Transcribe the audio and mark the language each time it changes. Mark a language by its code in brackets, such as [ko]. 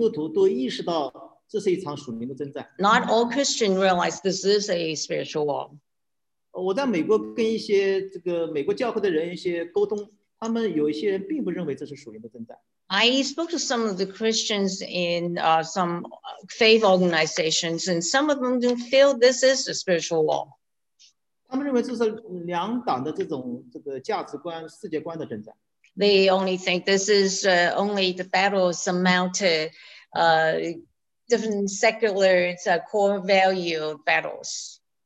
[zh] 并不是所有的基督徒都意识到这是一场属灵的征战。 [en] Not all Christians realize this is a spiritual war. [zh] 我在美国跟一些这个美国教会的人一些沟通。 [en] I spoke to some of the Christians in some faith organizations, and some of them don't feel this is a spiritual war. [zh] 他们认为这是两党的这种这个价值观、世界观的征战。 [en] They only think this is only the battle amount to different secular core value battles.